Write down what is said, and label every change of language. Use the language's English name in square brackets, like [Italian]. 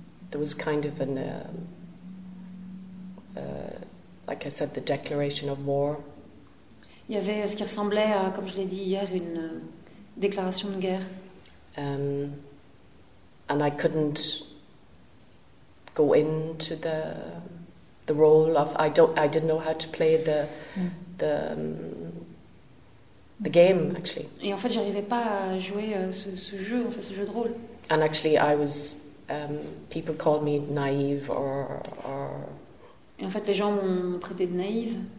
[English] There was kind of an like I said, the declaration of war. [French] Il y avait ce qui ressemblait à, comme je l'ai dit hier, une déclaration de guerre. [English] And I couldn't go into the role of I didn't know how to play the game actually. [French] Et en fait, j'arrivais pas à jouer ce jeu, en fait, ce jeu de rôle. [English] And actually, I was people called me naive or. [French] Et en fait, les gens m'ont traité de naïve.